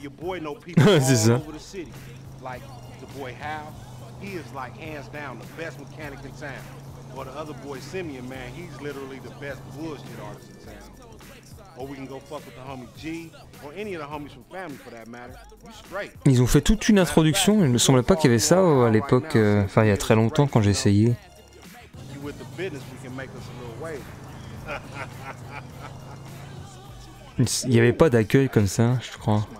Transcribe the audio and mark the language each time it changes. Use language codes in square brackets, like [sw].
[en] Your boy know people all over the city. Like the boy Hal, he is like hands down the best mechanic in town. Or the other boy Simeon, man, he's literally the best bullshit artist in town. Or we can go fuck with the homie G, or any of the homies from family for that matter. You're straight. [fr] Ils ont fait toute une introduction. Il me semblait pas qu'il y avait ça à l'époque, enfin il y a très longtemps quand j'ai essayé. [en] You with the business, we can make us a little way. [fr] Il y avait pas d'accueil comme ça, je crois.